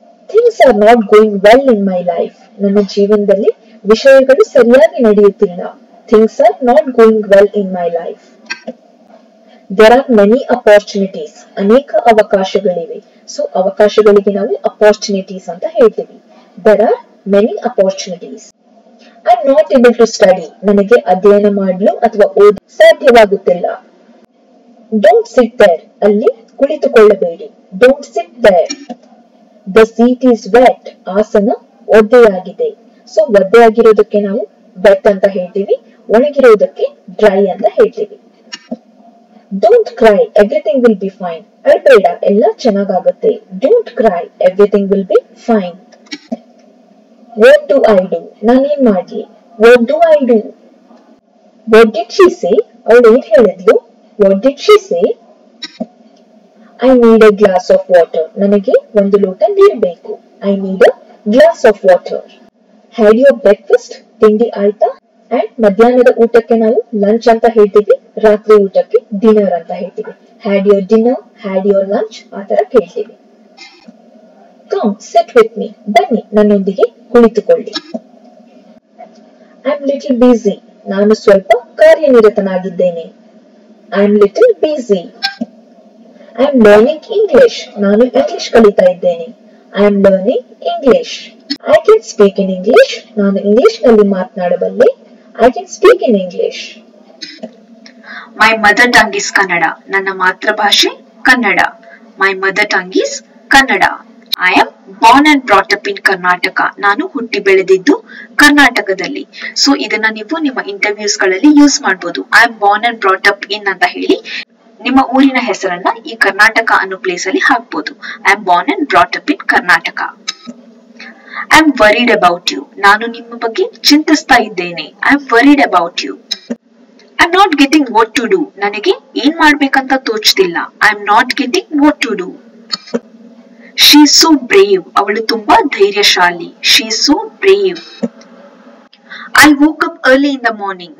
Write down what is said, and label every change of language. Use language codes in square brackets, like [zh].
[en] Things are not going well in my life. [kn] ನನ್ನ ಜೀವನದಲ್ಲಿ ವಿಷಯಗಳು ಸರಿಯಾಗಿ ನಡೆಯುತ್ತಿಲ್ಲ. [en] Things are not going well in my life. There are many opportunities. [kn] ಅನೇಕ ಅವಕಾಶಗಳಿವೆ. ಸೊ ಅವಕಾಶಗಳಿಗೆ ನಾವು ಅಪಾರ್ಚುನಿಟೀಸ್ ಅಂತ ಹೇಳ್ತೀವಿ. [en] There are many opportunities. I am not able to study, [kn] ನನಗೆ ಅಧ್ಯಯನ ಮಾಡಲು ಅಥವಾ ಓದಲು ಸಾಧ್ಯವಾಗುತ್ತಿಲ್ಲ. [en] don't sit there, [kn] ಅಲ್ಲಿ ಕುಳಿತುಕೊಳ್ಳಬೇಡಿ. [en] Don't sit there. The seat is wet, [kn] ಆಸನ ಒದ್ದೆಯಾಗಿದೆ. ಸೊ ಒದ್ದೆಯಾಗಿರೋದಕ್ಕೆ ನಾವು ವೆಟ್ ಅಂತ ಹೇಳ್ತೀವಿ, ಒಣಗಿರೋದಕ್ಕೆ ಡ್ರೈ ಅಂತ ಹೇಳ್ತೀವಿ. [en] Don't cry, everything will be fine. [kn] I ಬೇಡ, ಎಲ್ಲ ಚೆನ್ನಾಗಾಗುತ್ತೆ. [en] Don't cry, everything will be fine. What do I do? [kn] ನಾನೇನ್ ಮಾಡ್ಲಿ? [en] What do I do? What did she say? [kn] ಅವಳು ಏನ್ ಹೇಳಿದ್ಲು? [en] What did she say? I need a glass of water. [kn] ನನಗೆ ಒಂದು ಲೋಟ ನೀರು ಬೇಕು. [en] I need a glass of water. Had your breakfast? [kn] ತಿಂಡಿ ಆಯ್ತಾ? ಅಂಡ್ ಮಧ್ಯಾಹ್ನದ ಊಟಕ್ಕೆ ನಾವು ಲಂಚ್ ಅಂತ ಹೇಳ್ತೀವಿ, ರಾತ್ರಿ ಊಟಕ್ಕೆ ಡಿನ್ನರ್ ಅಂತ ಹೇಳ್ತೀವಿ. [en] had your dinner, had your lunch, [kn] ಆ ತರ ಕೇಳ್ತೀವಿ. [en] come sit with me, [kn] ಬನ್ನಿ ನನ್ನೊಂದಿಗೆ ಕುಳಿತುಕೊಳ್ಳಿ. [en] I am little busy, [kn] ನಾನು ಸ್ವಲ್ಪ ಕಾರ್ಯನಿರತನಾಗಿದ್ದೇನೆ. [en] I am little busy. I am learning English, [kn] ನಾನು ಇಂಗ್ಲಿಷ್ ಕಲಿತಾ ಇದ್ದೇನೆ. [en] I am learning English. I can speak in English, [kn] ನಾನು ಇಂಗ್ಲಿಷ್ ನಲ್ಲಿ ಮಾತನಾಡಬಲ್ಲೆ. [en] I can speak in English. My mother tongue is Kannada. [kn] Nanna matrabhashe Kannada. [en] My mother tongue is Kannada. I am born and brought up in Karnataka. [kn] ನಾನು ಹುಟ್ಟಿ ಬೆಳೆದಿದ್ದು ಕರ್ನಾಟಕದಲ್ಲಿ. So ಇದನ್ನ ನೀವು ನಿಮ್ಮ interviews ಗಳಲ್ಲಿ ಯೂಸ್ ಮಾಡಬಹುದು. [en] I am born and brought up in [kn] ಅಂತ ಹೇಳಿ ನಿಮ್ಮ ಊರಿನ ಹೆಸರನ್ನ ಈ ಕರ್ನಾಟಕ ಅನ್ನೋ ಪ್ಲೇಸ್ ಅಲ್ಲಿ ಹಾಕ್ಬಹುದು. [en] I am born and brought up in Karnataka. I am worried about you, [kn] ನಾನು ನಿಮ್ಮ ಬಗ್ಗೆ ಚಿಂತಿಸ್ತಾ ಇದ್ದೇನೆ. [en] I am worried about you. I'm not getting what to do. [kn] ನನಗೆ ಏನ್ ಮಾಡ್ಬೇಕಂತ ತೋಚ್ತಿಲ್ಲ. [en] I'm not getting what to do. She is so brave. [kn] ಅವಳು ತುಂಬಾ ಧೈರ್ಯಶಾಲಿ. [en] She is so brave. I woke up early in the morning.